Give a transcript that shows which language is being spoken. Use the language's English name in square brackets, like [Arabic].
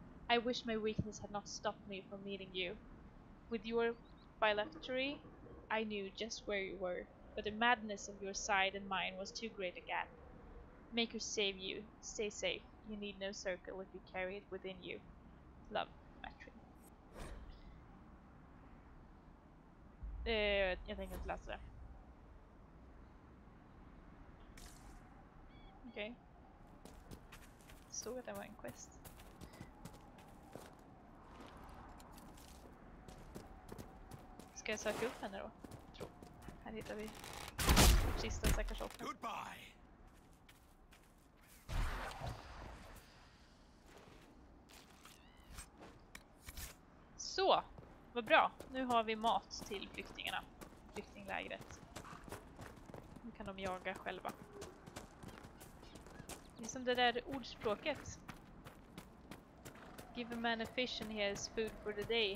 [English] I wish my weakness had not stopped me from meeting you. With your phylactery, I knew just where you were, but the madness of your side and mine was too great a gap. Maker save you. Stay safe. You need no circle if you carry it within you. Love, Matrin. [Swedish] Jag tänker inte läsa det. Okej. Okay. Stod att det var en quest. Ska jag söka upp henne då? Tror. Här hittar vi kistan säkert också. [English] Goodbye. [Swedish] Så, vad bra. Nu har vi mat till flyktingarna. Flyktinglägret. Nu kan de jaga själva. Det är som det där ordspråket. [English] Give a man a fish and he has food for the day.